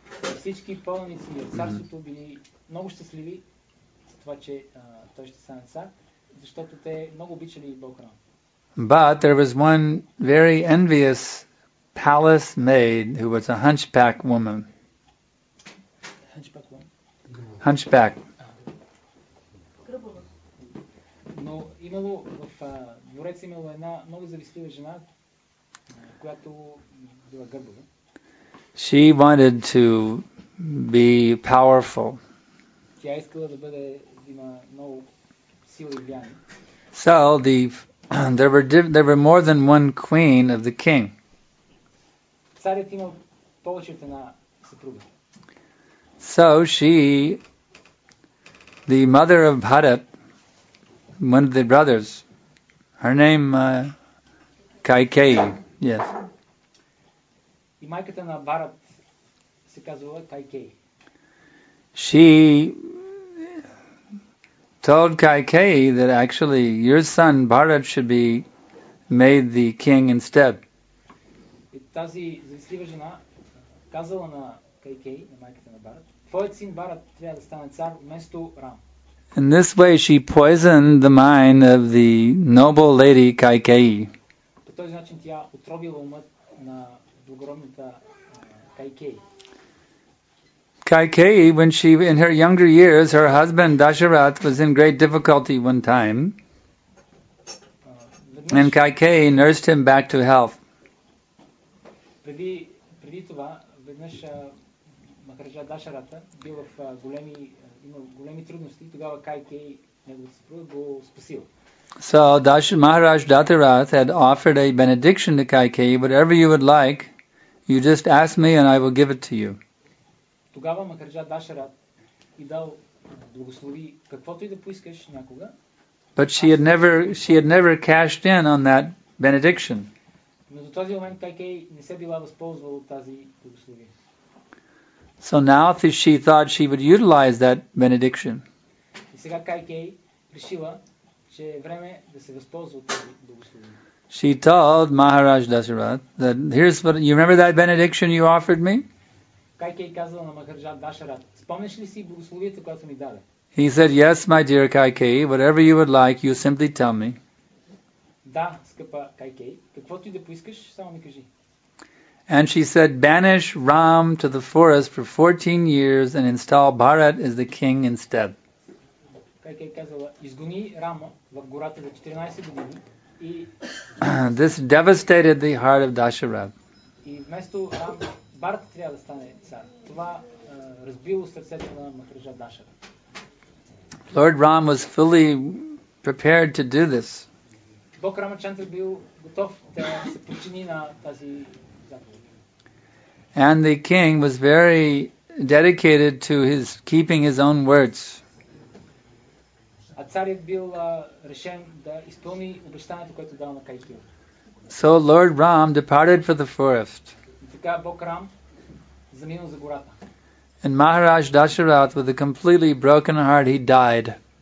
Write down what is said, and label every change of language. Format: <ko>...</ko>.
<bg>Всички полници в царството били много щастливи за това, че той ще стане цар, защото те много обичали Бог Рам.</bg> <en>But there was one very envious palace maid who was a hunchback woman. Hunchback.</en> <bg>Но имало в дворец имало една много завистлива жена, която била гърбава.</bg> <en>She wanted to be powerful.</en> <bg>Тя искала да бъде има много сила и влияние.</bg> <en>So there were more than one queen of the king.</en> <bg>Царят имал повече от една съпруга.</bg> <en>So she, the mother of Bharat, one of the brothers, her name Kaikeyi, Yes.</en> <bg>И майката на Барат се казвала Кайкей.</bg> <en>She told Kaikeyi that actually your son Bharat should be made the king instead.</en> <bg>И тази завистлива жена казала на Кайкей, на майката на Барат, твоят син Барат трябва да стане цар вместо Рам.</bg> <en>In this way she poisoned the mind of the noble lady Kaikeyi.</en> <bg>По този начин тя отровила умът на благородната Кайкей.</bg> <en>Kaikeyi, when she in her younger years, her husband Dasharath was in great difficulty one time, and Kaikeyi nursed him back to health.</en> <bg>Преди това, веднъж Махараджа Дашарата бил в големи, имал големи трудности, тогава Кайкеи неговата съпруга го спасил.</bg> <en>So Maharaj Dasharath had offered a benediction to Kaikeyi, whatever you would like, you just ask me and I will give it to you.</en> <bg>Тогава Махараджа Дашарат и дал благослови каквото и да поискаш някога.</bg> <en>But she had never cashed in on that benediction.</en> <bg>Но до този момент Кайкей не се била възползвала от тази благословие.</bg> <en>So now she thought she would utilize that benediction.</en> <bg>И сега Кайкей решила, че е време да се възползва от тази благословие.</bg> <en>She told Maharaj Dasharat that here's what you remember that benediction you offered me?</en> <bg>Кайкей казал на Махараджа Дашарат, спомнеш ли си благословието, което ми даде?</bg> <en>He said, yes, my dear Кайкей, whatever you would like, you simply tell me.</en> <bg>Да, скъпа Кайкей, каквото и да поискаш, само ми кажи.</bg> <en>And she said, banish Ram to the forest for 14 years and install Bharat as the king instead.</en> <bg>Кайкей казала, изгони Рама в гората за 14 години и...</bg> <en>This devastated the heart of Dasharat.</en> <bg>И вместо Рама... Барат трябва да стане цар. Това разбило сърцето на Махараджа Дашарат.</bg> <en>Lord Ram was fully prepared to do this.</en> <bg>Бог Рамачандра бил готов да се подчини на тази заповед.</bg> <en>And the king was very dedicated to his keeping his own words.</en> <bg>А царят бил решен да изпълни обещанието, което дал на Кайкей.</bg> <en>So Lord Ram departed for the forest. And Maharaj Dasharath, with a completely broken heart, he died.</en>